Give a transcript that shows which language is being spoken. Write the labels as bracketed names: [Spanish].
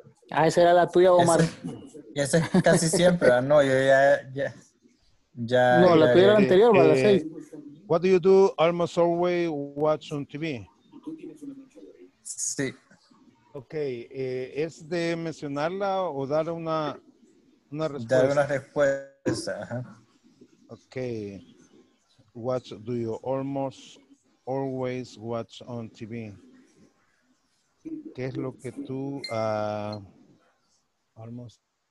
[Spanish] Ah, esa era la tuya, Omar. Esa es casi siempre. No, yo ya. No, la tuya era la anterior, la 6. [English] What do you do almost always watch on TV? [Spanish] Sí. Ok, ¿es de mencionarla o dar una respuesta? Dar una respuesta. Ok. [English] What do you almost always watch on TV? [Spanish] ¿Qué es lo que tú [English] almost?